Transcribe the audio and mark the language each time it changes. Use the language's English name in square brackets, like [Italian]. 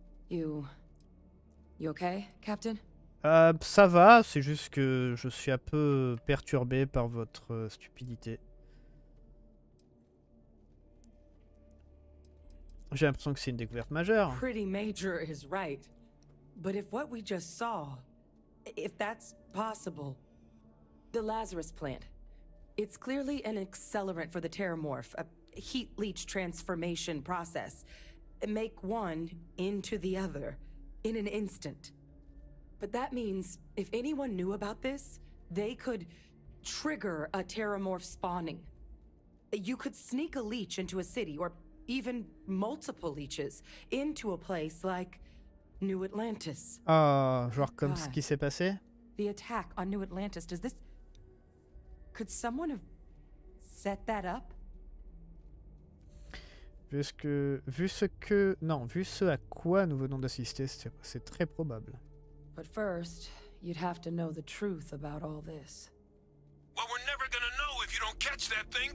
[English] You okay, Captain? [French] Ça va, c'est juste que je suis un peu perturbé par votre stupidité. J'ai l'impression que c'est une découverte majeure. [English] Pretty Major is right. But if what we just saw, if that's possible, the Lazarus plant, it's clearly an accelerant for the Terramorph, a heat leech transformation process. Make one into the other in an instant. But that means if anyone knew about this, they could trigger a Terramorph spawning. You could sneak a leech into a city, or even multiple leeches, into a place like... New Atlantis. [French] Ah, genre comme ce qui s'est passé. [English] The attack on New Atlantis. Does this? Could someone have set that up? [French] Vu ce à quoi nous venons d'assister, c'est très probable. [English] But first, you'd have to know the truth about all this. Well, we're never gonna know if you don't catch that thing.